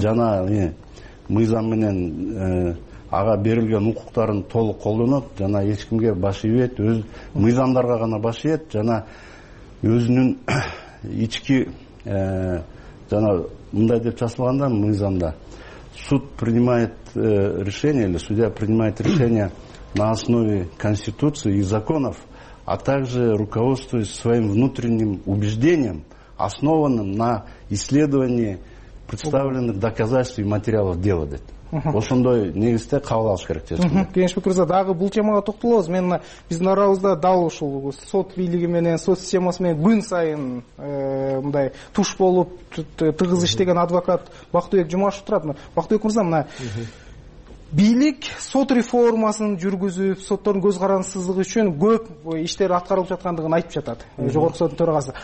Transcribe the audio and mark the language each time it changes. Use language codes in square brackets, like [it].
[ky] Жана мыйзам менен ага берилген укуктарын толук колдонот жана эч кимге баш ийбейт, өз мыйзамдарга гана баш ийет жана өзүнүн ички жана мындай деп жазылган да мыйзамда. [ru] Суд принимает решение или судья принимает решение на основе конституции и законов, а также руководствуясь своим внутренним убеждением, основанным на исследовании представленных доказательств и материалов дела. [ky] Ошондой негизде кабыл алыш керек. Кеңеш Бекирза, дагы бул темага токтолобуз. Мен биздин арабызда дал ушул сот бийлиги менен, сот системасы менен күн сайын мындай туш болуп тыгыз иштеген адвокат Бактыбек Жумашев турат. Бактыбек мырза, мына бийлик сот реформасын жүргүзүп, соттордун көз карансыздыгы үчүн көп иштер аткарылып жаткандыгын айтып жатат жогорку соттун төрагасы.